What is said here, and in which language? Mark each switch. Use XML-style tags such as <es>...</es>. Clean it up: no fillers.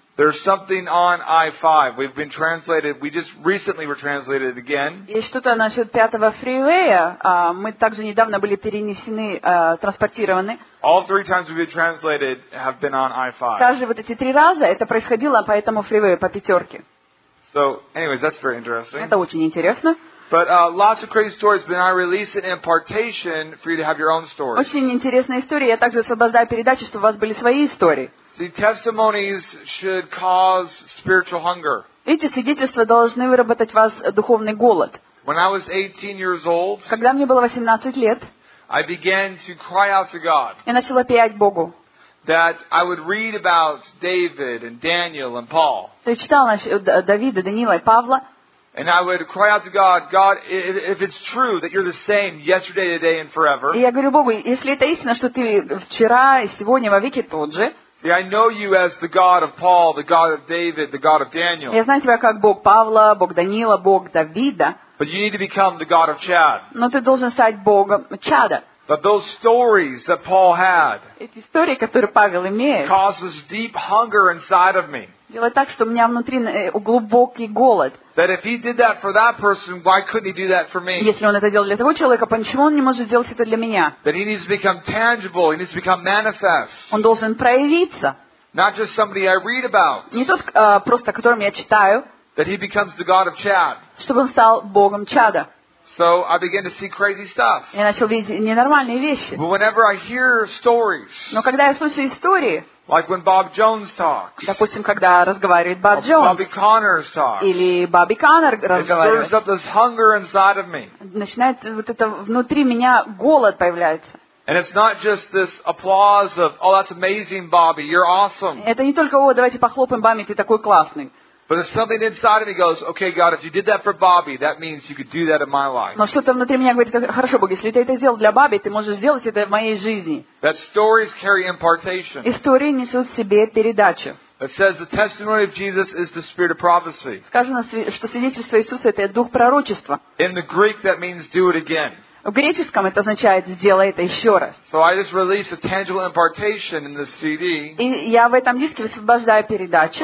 <en>There's something on I-5. We've been translated. We just recently were translated again.</en> <ru>Есть что-то насчет пятого фривея. Мы также недавно были перенесены, транспортированы.</ru> <en>All three times we've been translated have been on I-5.</en> <ru>Также вот эти три раза это происходило по этому фривею, по пятерке.</ru> <en>So, anyways, that's very interesting.</en> <ru>Это очень интересно.</ru> <en>But lots of crazy stories, but I release it in impartation for you to have your own stories.</en> <ru>Очень интересная история. Я также освобождаю передачи, чтобы у вас были свои истории.</ru> <en>The testimonies should cause spiritual hunger.</en> <ru>Эти свидетельства должны выработать в вас духовный голод.</ru> <en>When I was 18 years old,</en> <ru>когда мне было 18 лет,</ru> <en>I began to cry out to God.</en> <ru>Я начала пиять Богу.</ru> <en>That I would read about David and Daniel and Paul.</en> <ru>Я читала насчет Давида, Даниила и Павла.</ru> <en>And I would cry out to God, God, if it's true that you're the same yesterday, today, and forever.</en> <ru>И я говорю Богу, если это истина, что ты вчера и сегодня во веки тот же.</ru> <en>See, I know you as the God of Paul, the God of David, the God of Daniel.</en> <ru>Я знаю тебя как Бог Павла, Бог Даниила, Бог Давида.</ru> <en>But you need to become the God of Chad.</en> <ru>Но ты должен стать Богом Чада.</ru> <en>But those stories that Paul had.</en> <ru>Эти истории, которые Павел имеет.</ru> <en>Caused this deep hunger inside of me.</en> <ru>Делай так, что у меня внутри глубокий голод.</ru> <en>That if he did that for that person, why couldn't he do that for me?</en> <ru>Если он это делал для того человека, почему он не может сделать это для меня?</ru> <en>That he needs to become tangible, he needs to become manifest.</en> <ru>Он должен проявиться.</ru> <en>Not just somebody I read about.</en> <ru>Не тот, просто, которым я читаю.</ru> <en>That he becomes the God of Chad.</en> <ru>Чтобы он стал Богом Чада.</ru> <en>So I began to see crazy stuff.</en> <ru>Я начал видеть ненормальные вещи.</ru> <en>But whenever I hear stories.</en> <ru>Но когда я слышу истории.</ru> <en>Like when Bob Jones talks.</en> <ru>Допустим, когда разговаривает Боб Джонс.</ru> <en>Bobby Connor talks.</en> <ru>Или Бобби Коннор разговаривает.</ru> <en>It stirs up this hunger inside of me.</en> <ru>Начинает вот это внутри меня голод появляется.</ru> <en>And it's not just this applause of, oh, that's amazing, Bobby, you're awesome.</en> <ru>Это не только, о, давайте похлопаем Бобби, ты такой классный.</ru> <en>But there's something inside of me goes, okay, God, if you did that for Bobby, that means you could do that in my life.</en> <ru>Но что-то внутри меня говорит, хорошо, Бог, если ты это сделал для Бобби, ты можешь сделать это в моей жизни.</ru> <en>That stories carry impartation.</en> <ru>Истории несут в себе передачу.</ru> <en>It says the testimony of Jesus is the spirit of prophecy.</en> <ru>Сказано, что свидетельство Иисуса это дух пророчества.</ru> <en>In the Greek, that means do it again.</en> <ru>В греческом это означает «сделай это еще раз».</ru> <en>So I just released a tangible impartation in this CD.</en> <ru>И я в этом диске высвобождаю передачу.</ru>